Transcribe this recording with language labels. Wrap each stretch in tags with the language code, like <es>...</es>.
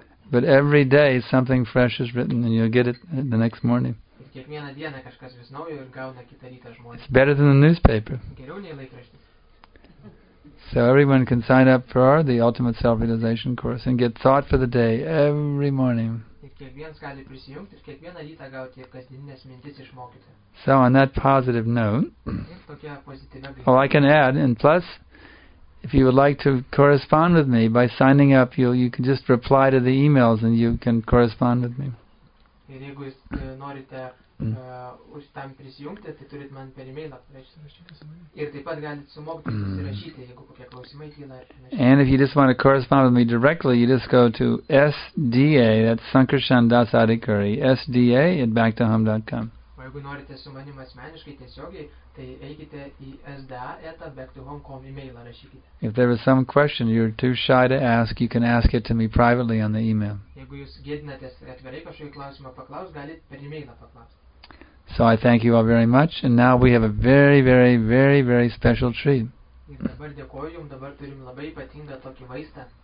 <en>But every day, something fresh is written, and you'll get it the next morning.</en> <lt>Kiekvieną dieną kažkas vis naujo ir gauna kitą rytą žmonės.</lt> <en>It's better than the newspaper.</en> <lt>Geriau nei laikraštis.</lt> <en>So everyone can sign up for our, the Ultimate Self-Realization Course and get thought for the day every morning.</en> <lt>Ir kiekvienas gali prisijungti ir kiekvieną rytą gauti kasdieninės mintis iš mokytojo.</lt> <en>So on that positive note,</en> <lt>tokia pozityvia gaida.</lt> <en>Well, I can add, and plus, if you would like to correspond with me by signing up, you can just reply to the emails and you can correspond with me.</en> <lt>Ir jeigu jūs norite už tam prisijungti, tai turit man per e-mailą prašyti. Ir taip pat galite su mokytoju susirašyti, jeigu kokie klausimai kyla.</lt> <en>And if you just want to correspond with me directly, you just go to SDA, that's Sankarshan Das Adhikari, SDA@backtohome.com.</en> <lt>O jeigu norite su manim asmeniškai tiesiogiai, tai eikite į SDA@backtohome.com e-mailą rašykite.</lt> <en>If there is some question you're too shy to ask, you can ask it to me privately on the email.</en> <lt>Jeigu jūs gėdinatės atvirai kažkokį klausimą paklaus, galit per e-mailą paklausti.</lt> <en>So I thank you all very much, and now we have a very, very, very, very special treat.</en> <lt>Ir dabar dėkoju jums, dabar turim labai ypatingą tokį vaistą.</lt>